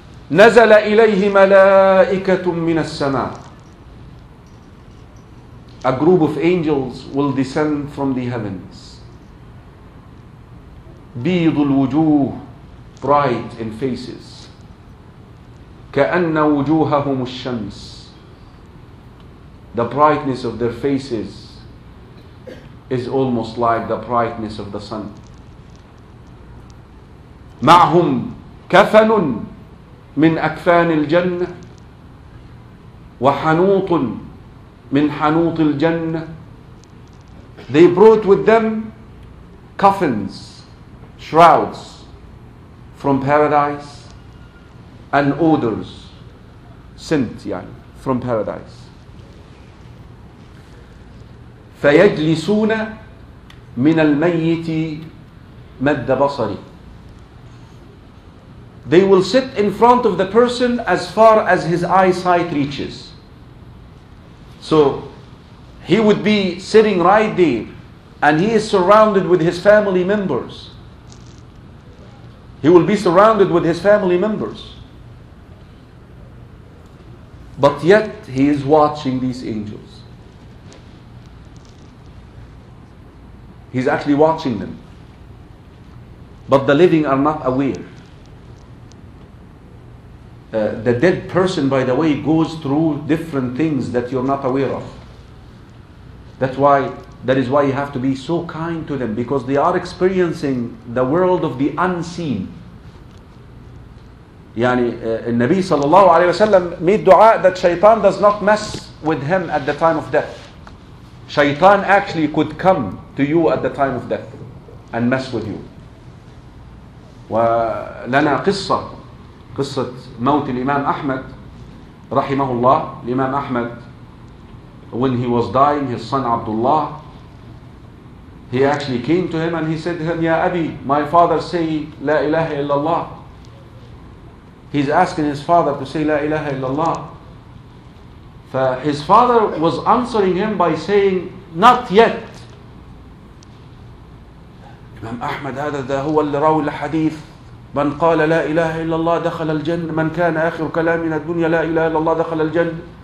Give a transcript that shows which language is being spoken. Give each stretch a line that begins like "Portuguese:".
Arabic: نزل إليه ملائكة من السماء.
English: A group of angels will descend from the heavens.
Arabic: بيض الوجوه,
English: bright in faces.
Arabic: كأن وجوههم الشمس.
English: The brightness of their faces is almost like the brightness of the sun.
Arabic: معهم كفن من أكفان الجنة وحنوط من حنوط الجنة.
English: They brought with them coffins, shrouds from paradise, and odors, scent يعني from paradise.
Arabic: فيجلسون من الميت مد بصري.
English: They will sit in front of the person as far as his eyesight reaches. So he would be sitting right there and he is surrounded with his family members. He will be surrounded with his family members. But yet he is watching these angels. He's actually watching them. But the living are not aware. The dead person, by the way, goes through different things that you're not aware of. That is why you have to be so kind to them, because they are experiencing the world of the unseen. يعني النبي صلى الله عليه وسلم made دعاء that شيطان does not mess with him at the time of death. شيطان actually could come to you at the time of death and mess with you.
Arabic: ولنا قصة. قصة موت الإمام أحمد رحمه الله.
English: الإمام أحمد, when he was dying, his son Abdullah, he actually came to him and he said to him, Ya Abi, my father say لا إله إلا الله. He's asking his father to say لا إله إلا الله. His father was answering him by saying, not yet.
Arabic: الإمام أحمد هذا هو اللي راوي الحديث, من قال لا إله إلا الله دخل الجنة, من كان آخر كلامنا الدنيا لا إله إلا الله دخل الجنة.